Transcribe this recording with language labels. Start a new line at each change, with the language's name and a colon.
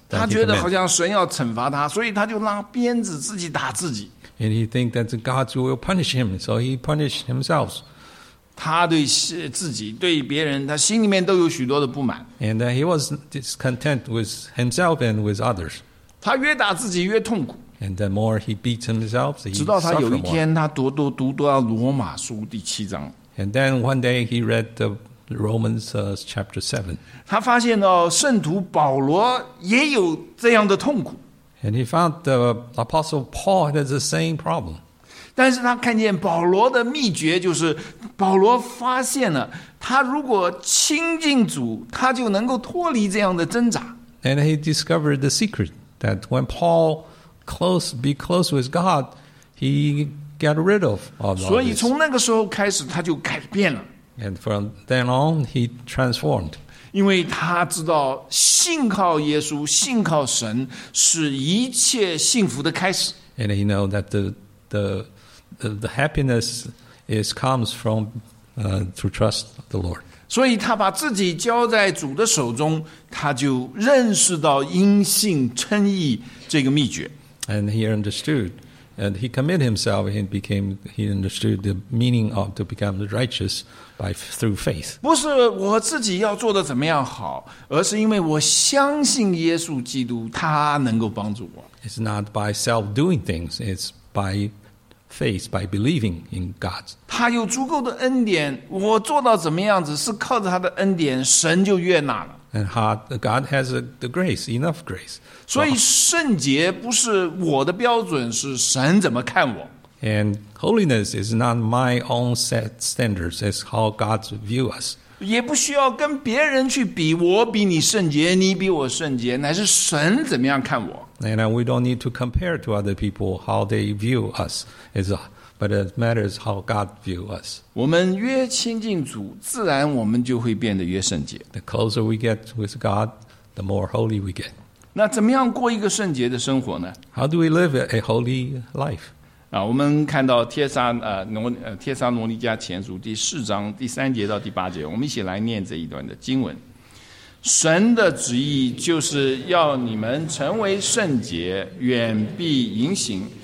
Chinese: 他觉得好像神要惩罚他，所以他就拉鞭子自己打自己。
English: And he thinks that God will punish him, so he punished himself.
Chinese: 他对自己、对别人，他心里面都有许多的不满。
English: And he was discontent with himself and with others.
Chinese: 他越打自己越痛苦。
English: And the more he beats himself, he suffers more.
Chinese: 直到他有一天，他读到罗马书第七章。
English: And then one day he read the. Romans chapter 7.
Chinese: 他发现到圣徒保罗也有这样的痛苦。
English: And he found the apostle Paul had the same problem.
Chinese: 但是他看见保罗的秘诀就是保罗发现了他如果亲近主他就能够脱离这样的挣扎。
English: And he discovered the secret that when Paul be close with God, he got rid of all this.
Chinese: 所以从那个时候开始他就改变了。
English: And from then on, he transformed.
Chinese: 因为他知道信靠耶稣、信靠神是一切幸福的开始。
English: And he knows that the happiness is comes from to trust the Lord.
Chinese: 所以他把自己交在主的手中，他就认识到因信称义这个秘诀。
English: And he understood. And he committed himself and became, he understood the meaning of to become righteous by, through faith.
Chinese: 不是我自己要做得怎么样好，而是因为我相信耶稣基督，他能够帮助我。
English: It's not by self-doing things, it's by faith, by believing in God.
Chinese: 他有足够的恩典，我做到怎么样子，是靠着他的恩典，神就悦纳了。
English: And God has the grace, enough grace.
Chinese: 所以圣洁不是我的标准，是神怎么看我。
English: And holiness is not my own set standards, it's how God views us.
Chinese: 也不需要跟别人去比，我比你圣洁，你比我圣洁，乃是神怎么样看我。
English: And we don't need to compare to other people how they view us. It's But it matters how God views us.
Chinese: 我们越亲近主，自然我们就会变得越圣洁。
English: The closer we get with God, the more holy we get.
Chinese: 那怎么样过一个圣洁的生活呢？
English: How do we live a holy life?
Chinese: 我们看到帖撒罗尼迦前书第四章第三节到第八节，我们一起来念这一段的经文。神的旨意就是要你们成为圣洁，远避淫行。